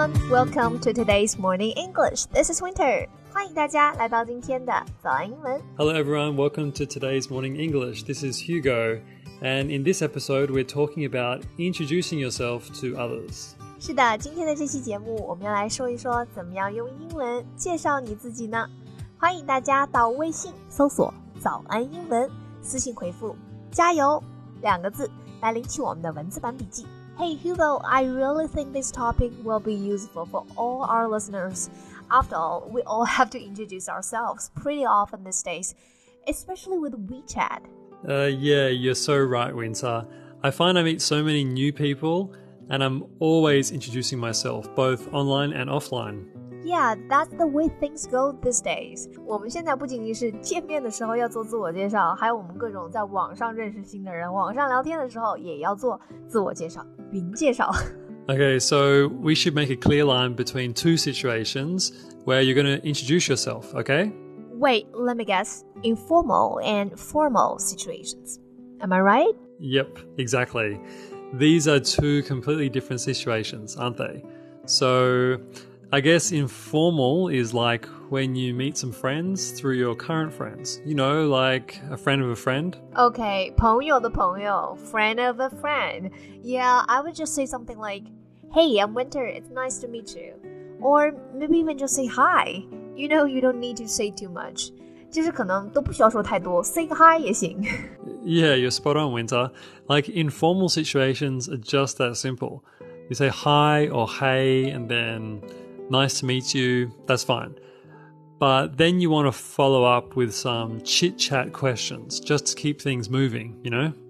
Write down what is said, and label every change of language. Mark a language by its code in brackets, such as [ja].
[en] Welcome to today's Morning English. This is Winter. [zh] 欢迎大家来到今天的早安英文。 [en] Hello everyone, welcome to today's Morning English. This is Hugo. And in this episode, we're talking about introducing yourself to others. [zh] 是的，今天的这期节目我们要来说一说怎么样用英文介绍你自己呢？欢迎大家到微信搜索早安英文，私信回复加油两个字来领取我们的文字版笔记。 [en] Hey Hugo, I really think this topic will be useful for all our listeners. After all, we all have to introduce ourselves pretty often these days, especially with WeChat. You're so right, Winter. I find I meet so many new people, and I'm always introducing myself, both online and offline. Yeah, that's the way things go these days. [zh] 我们现在不仅仅是见面的时候要做自我介绍，还有我们各种在网上认识新的人，网上聊天的时候也要做自我介绍。 [en] Okay, so we should make a clear line between two situations where you're going to introduce yourself, okay? Wait, let me guess. Informal and formal situations. Am I right? Yep, exactly. These are two completely different situations, aren't they? So I guess informal is like when you meet some friends through your current friends. You know, like a friend of a friend. Okay, [zh] 朋友的朋友, [en] friend of a friend. Yeah, I would just say something like, Hey, I'm Winter, it's nice to meet you. Or maybe even just say hi. You know, you don't need to say too much. [zh] 其实可能都不需要说太多, [en] say hi [zh] 也行。 [en] Yeah, you're spot on, Winter. Like informal situations are just that simple. You say hi or hey, and then... Nice to meet you, that's fine. But then you want to follow up with some chit-chat questions just to keep things moving, you know?